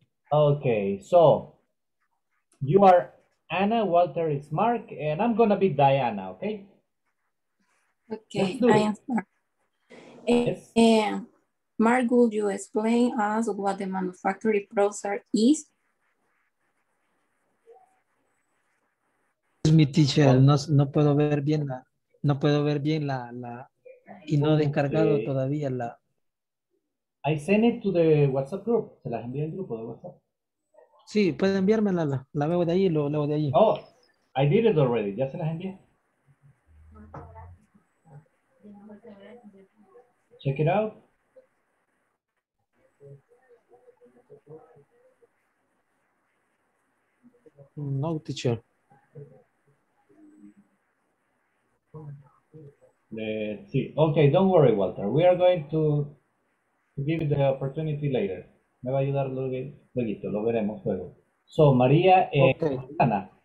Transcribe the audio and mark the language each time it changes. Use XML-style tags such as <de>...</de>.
<en>Okay, so you are Anna, Walter is Mark, and I'm gonna be Diana, okay? Okay, I am Mark. Yes. Mark, would you explain us what the manufacturing process is? Excuse me, teacher,</en> <es>no puedo ver bien la, no puedo ver bien la, la y no he descargado okay. Todavía la.</es> <en>I send it to the WhatsApp group.</en> <es>Se las envía el grupo de WhatsApp. Sí, puede enviármela. La veo de ahí y lo leo de allí.</es> <en>Oh, I did it already.</en> <es>Ya se las envié.</es> <en>Check it out. No, teacher. Let's see. Okay, don't worry, Walter. We are going to give the opportunity later. Me va a ayudar luego, lo veremos luego. So, María, okay. Ana,</en>